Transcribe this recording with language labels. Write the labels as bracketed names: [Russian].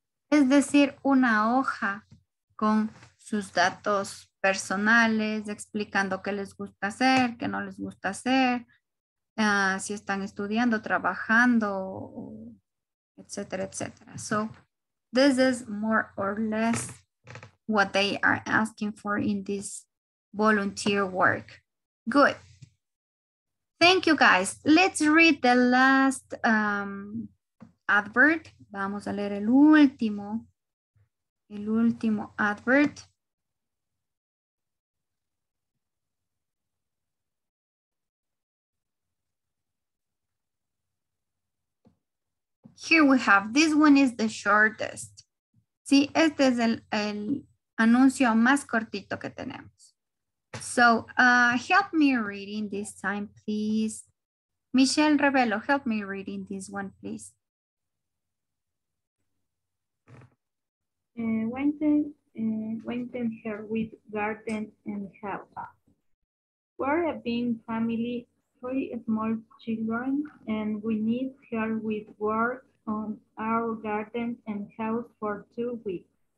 [Spanish] Es decir, una hoja con sus datos personales, explicando qué les gusta hacer, qué no les gusta hacer, si están estudiando, trabajando, etcétera, etcétera. [English] So, this is more or less what they are asking for in this volunteer work. Good. Thank you, guys. Let's read the last advert. [Spanish] Vamos a leer el último. El último advert. [English] Here we have, this one is the shortest. [Spanish] Sí, este es el anuncio más cortito que tenemos. [English] So, help me reading this time, please. Michelle Rebelo, help me reading this one, please. Wanted her with garden and help. We're a big family, three small children, and we need her with work on our garden and house for 2 weeks.